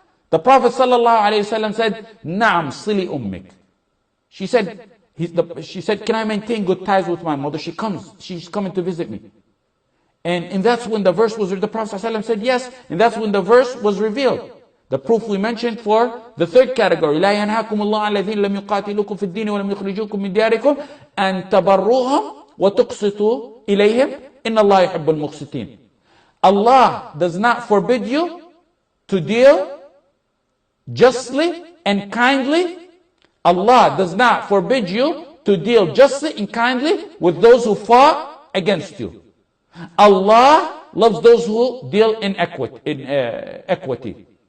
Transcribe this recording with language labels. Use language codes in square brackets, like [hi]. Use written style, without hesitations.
[en] The Prophet ﷺ said, نَعَمْ صِلِي أُمِّك. She said, can I maintain good ties with my mother? She comes, she's coming to visit me. And that's when the verse was, the Prophet ﷺ said yes, and that's when the verse was revealed. [ar] The proof we mentioned for the third category, لَا يَنْهَاكُمُ اللَّهُ الَّذِينَ لَمْ يُقَاتِلُكُمْ فِي الدِّينِ وَلَمْ يُخْرِجُوكُمْ مِنْ دِيَارِكُمْ أَنْ تَبَرُّوهُمْ وَتُقْسِطُوا إِلَيْهِمْ. In Allah yuhibbul muqsitin. [en] Allah does not forbid you to deal justly and kindly. Allah does not forbid you to deal justly and kindly with those who fought against you. Allah loves those who deal in equity.